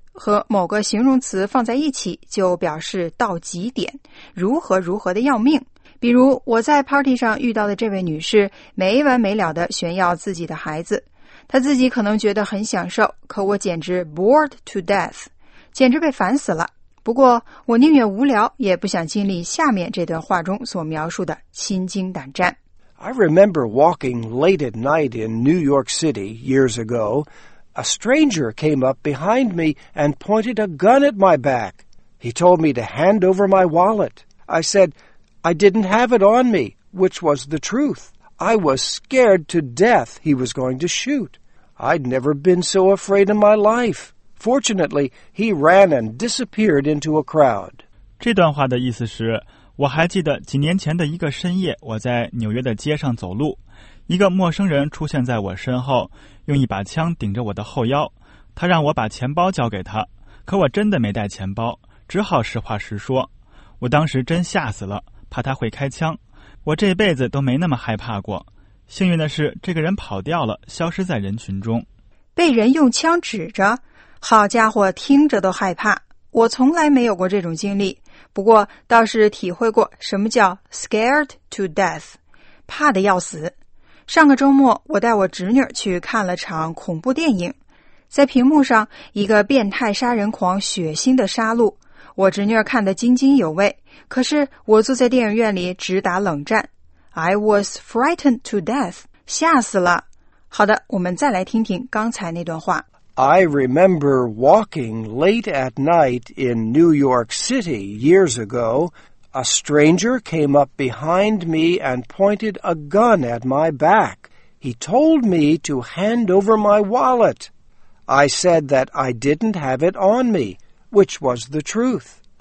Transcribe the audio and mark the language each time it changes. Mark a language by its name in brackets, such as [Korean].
[Chinese] 和某个形容词放在一起就表示到极点如何如何的要命比如我在 party 上遇到的这位女士没完没了地炫耀自己的孩子她自己可能觉得很享受可我简直 [English] bored to death [Chinese] 简直被烦死了不过我宁愿无聊也不想经历下面这段话中所描述的心惊胆战 [English] I remember walking late at night in New York City years agoA stranger came up behind me and pointed a gun at my back. He told me to hand over my wallet. I said, I didn't have it on me, which was the truth. I was scared to death he was going to shoot. I'd never been so afraid in my life. Fortunately, he ran and disappeared into a crowd. [Chinese] 这段话的意思是，我还记得几年前的一个深夜，我在纽约的街上走路。一个陌生人出现在我身后，用一把枪顶着我的后腰。他让我把钱包交给他，可我真的没带钱包，只好实话实说。我当时真吓死了，怕他会开枪。我这辈子都没那么害怕过。幸运的是，这个人跑掉了，消失在人群中。被人用枪指着，好家伙，听着都害怕。我从来没有过这种经历，不过倒是体会过什么叫 [English] scared to death， [Chinese] 怕得要死。上个周末我带我侄女去看了场恐怖电影在屏幕上一个变态杀人狂血腥的杀戮我侄女看得津津有味可是我坐在电影院里直打冷战 [English] I was frightened to death [Chinese] 吓死了好的我们再来听听刚才那段话 [English] I remember walking late at night in New York City years agoA stranger came up behind me and pointed a gun at my back. He told me to hand over my wallet. I said that I didn't have it on me, which was the truth.